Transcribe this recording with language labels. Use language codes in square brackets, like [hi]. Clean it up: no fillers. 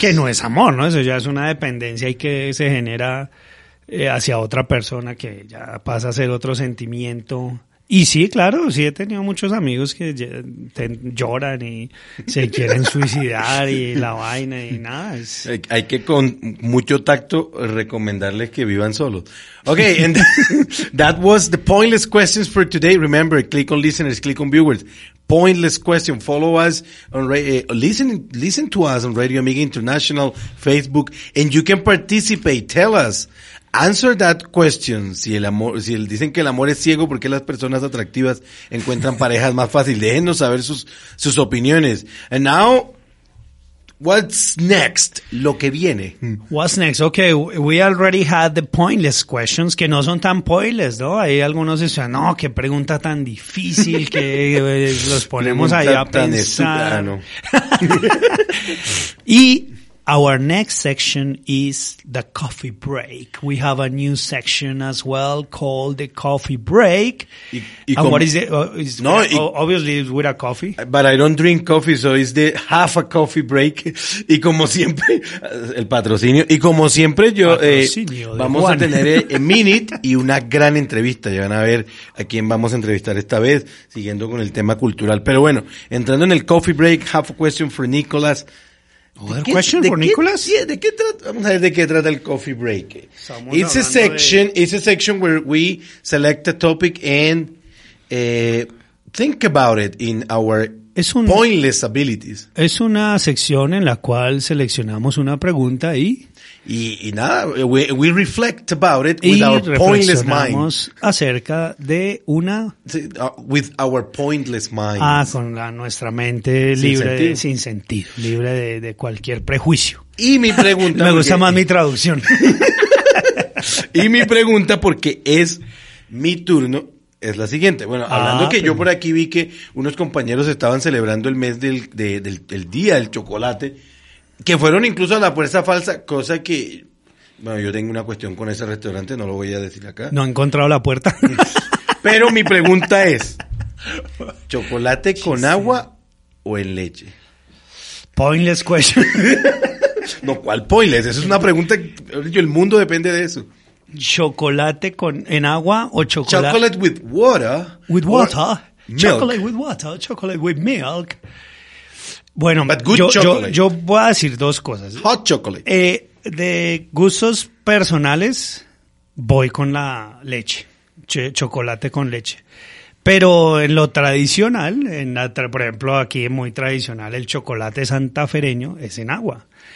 [es] Que no es amor, ¿no? Eso ya es una dependencia y que se genera hacia otra persona que ya pasa a ser otro sentimiento. Y sí, claro, sí he tenido muchos amigos que lloran y se quieren suicidar y la vaina y nada. Hay que con mucho tacto recomendarles que vivan solos. [en] Okay, and that was the pointless questions for today. Remember, click on listeners, click on viewers. Pointless question. Follow us on listen to us on Radio Amiga International, Facebook, and you can participate. Tell us. Answer that question. [es] Dicen que el amor es ciego, ¿por qué las personas atractivas encuentran parejas más fácil? Déjenos saber sus opiniones. [en] And now, what's next? [es] Lo que viene. [en] What's next? Okay, we already had the pointless questions, [es] que no son tan pointless, ¿no? Hay algunos que dicen, no, qué pregunta tan difícil, que los ponemos ahí a pensar. [en] Y... Our next section is the coffee break. We have a new section as well called the coffee break. Obviously it's with a coffee. But I don't drink coffee, so it's the half a coffee break. [es] Y como siempre, el patrocinio. Y como siempre, vamos a tener a minute y una gran entrevista. Ya van a ver a quién vamos a entrevistar esta vez, siguiendo con el tema cultural. Pero bueno, entrando en el coffee break, [en] half a question for Nicolas. Other question for Nicolas? [es] Yeah, ¿de qué trata? Vamos a ver de qué trata el coffee break. [en] It's a section where we select a topic and think about it in our pointless abilities. [es] Es una sección en la cual seleccionamos una pregunta y... Y nada, [en] we reflect about it with our pointless mind. [es] Acerca de una... [en] With our pointless minds. [es] Ah, con nuestra mente sin sentido, libre de cualquier prejuicio. Y mi pregunta... Me gusta más mi traducción. Y mi pregunta, porque es mi turno, es la siguiente. Bueno, hablando yo por aquí vi que unos compañeros estaban celebrando el mes del día del chocolate... Que fueron incluso a la puerta falsa, cosa que... Bueno, yo tengo una cuestión con ese restaurante, no lo voy a decir acá. No he encontrado la puerta. Pero mi pregunta es, ¿chocolate con agua o en leche? [en] Pointless question. [es] No, ¿cuál pointless? Esa es una pregunta, el mundo depende de eso. ¿Chocolate con en agua o chocolate? [en] Chocolate with water. With water. Or chocolate milk. With water, chocolate with milk. [es] Bueno, yo voy a decir dos cosas. [en] Hot chocolate. [es] De gustos personales, voy con la leche, chocolate con leche. Pero en lo tradicional, por ejemplo, aquí es muy tradicional, el chocolate santafereño es en agua.